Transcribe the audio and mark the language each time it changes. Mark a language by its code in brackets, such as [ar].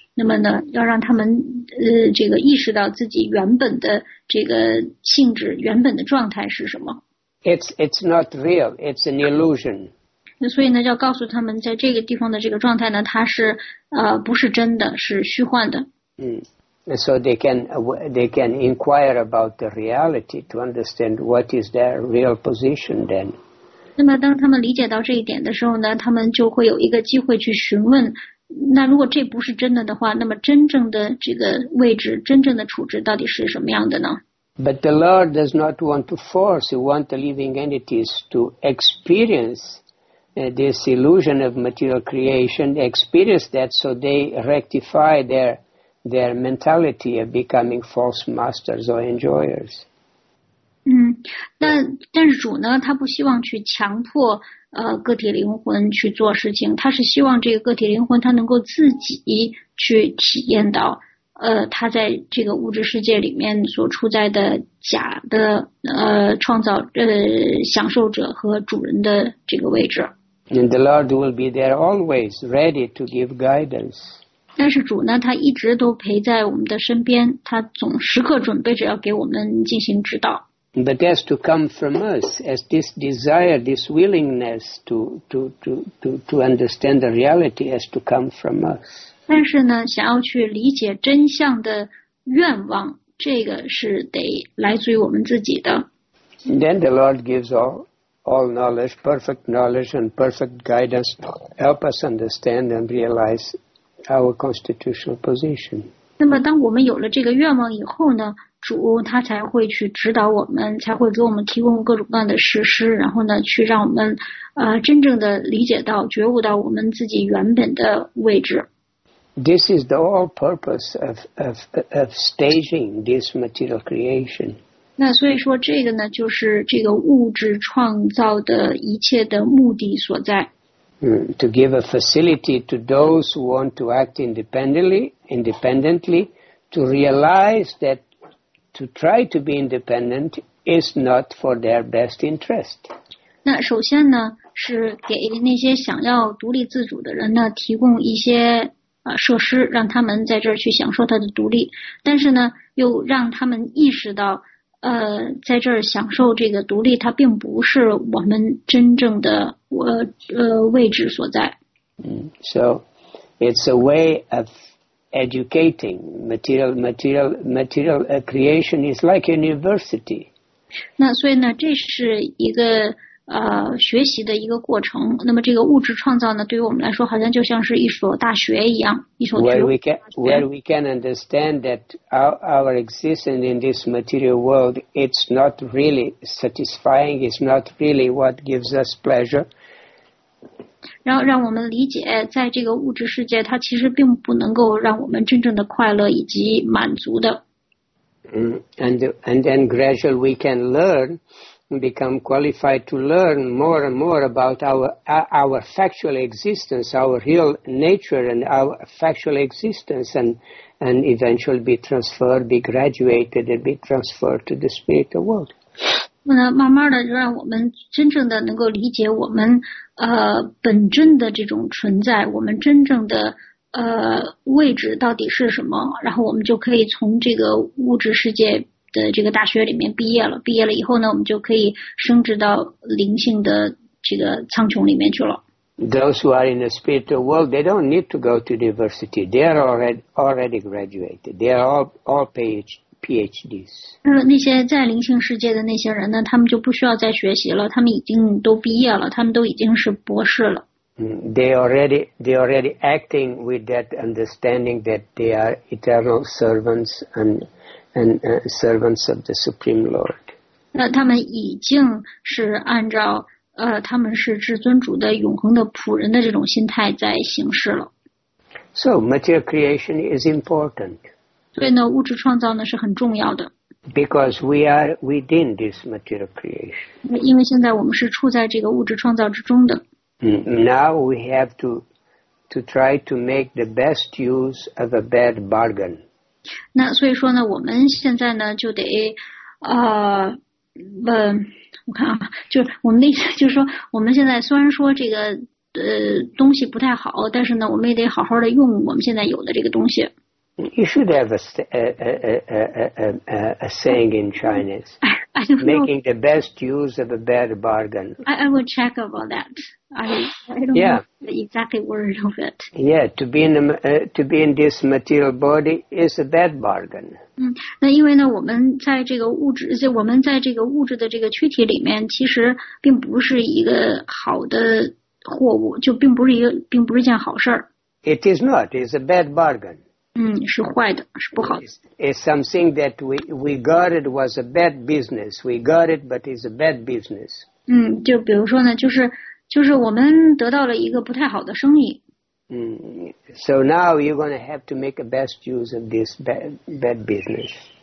[zh] 那么呢，要让他们这个意识到自己原本的这个性质、原本的状态是什么。 [en] It's not real. It's an illusion. [zh] 那所以呢，要告诉他们，在这个地方的这个状态呢，它是不是真的，是虚幻的。 [en] So they can inquire about the reality to understand what is their real position then. [zh] 那么当他们理解到这一点的时候呢，他们就会有一个机会去询问，那如果这不是真的的话，那么真正的这个位置，真正的处置到底是什么样的呢？ [en] But the Lord does not want to force. He wants the living entities to experience this illusion of material creation, experience that so they rectify their mentality of becoming false masters or enjoyers. [zh] 但是主呢，他不希望去强迫个体灵魂去做事情，他是希望这个个体灵魂他能够自己去体验到他在这个物质世界里面所处在的假的创造享受者和主人的这个位置。 [en] And the Lord will be there always ready to give guidance. [zh] 但是主呢，他一直都陪在我们的身边，他总时刻准备着要给我们进行指导。 [en] But it has to come from us as this desire, this willingness to understand the reality has to come from us. [zh] 但是呢，想要去理解真相的愿望，这个是得来自于我们自己的。 [en] And then the Lord gives all knowledge, perfect knowledge and perfect guidance to help us understand and realize our constitutional position. [zh] 那么当我们有了这个愿望以后呢，主他才会去指导我们，才会给我们提供各种各样的实施，然后呢去让我们真正的理解到，觉悟到我们自己原本的位置。 [en] This is the whole purpose of staging this material creation. [zh] 那所以说这个呢，就是这个物质创造的一切的目的所在。 [en] To give a facility to those who want to act independently, to realize that to try to be independent is not for their best interest. [zh] 那首先呢，是给那些想要独立自主的人呢，提供一些设施，让他们在这儿去享受他的独立。但是呢，又让他们意识到，在这儿享受这个独立，它并不是我们真正的位置所在。 [en] So it's a way of educating material creation is like university. [zh] 那所以呢，这是一个学习的一个过程。那么这个物质创造呢，对于我们来说，好像就像是一所大学一样，一所 [en] Where we can understand that our existence in this material world, it's not really satisfying, it's not really what gives us pleasure. [zh] 然后让我们理解，在这个物质世界，它其实并不能够让我们真正的快乐以及满足的。 [en] And then gradually we can learn, become qualified to learn more and more about our factual existence, our real nature, and our factual existence, and eventually be graduated to the spiritual world. [zh] 那慢慢的，就让我们真正的能够理解我们本真的这种存在，我们真正的位置到底是什么，然后我们就可以从这个物质世界的这个大学里面毕业了。毕业了以后呢，我们就可以升职到灵性的这个苍穹里面去了。 [en] Those who are in the spiritual world, they don't need to go to university. They are already graduated. They are all PhDs. [zh] 那些在灵性世界的那些人呢，他们就不需要再学习了，他们已经都毕业了，他们都已经是博士了。 [en] They already acting with that understanding that they are eternal servants and servants of the Supreme Lord. [zh] 那他们已经是按照他们是至尊主的永恒的仆人的这种心态在行事了。 [en] So material creation is important. [zh] 所以呢，物质创造呢是很重要的。 [en] Because we are within this material creation. [zh] 因为现在我们是处在这个物质创造之中的。 [en] Now we have to try to make the best use of a bad bargain. [zh] 那所以说呢，我们现在呢就得，我看啊，就是我们的意思就是说，我们现在虽然说这个东西不太好，但是呢，我们也得好好的用我们现在有的这个东西。 [en] You should have a saying in Chinese. I don't know. Making the best use of a bad bargain. I will check about that. I don't know the exact word of it. Yeah, to be in this material body is a bad bargain. [zh] 那因为呢，我们在这个物质，在我们在这个物质的这个躯体里面，其实并不是一个好的货物，就并不是一个，并不是件好事儿。 [en] It is not. It's a bad bargain. [zh] 是坏的，是不好的。 [en] It's something that we got it was a bad business. We got it, but it's a bad business. [zh] 就比如说呢，就是我们得到了一个不太好的生意。 [en] So now you're going to have to make the best use of this bad business.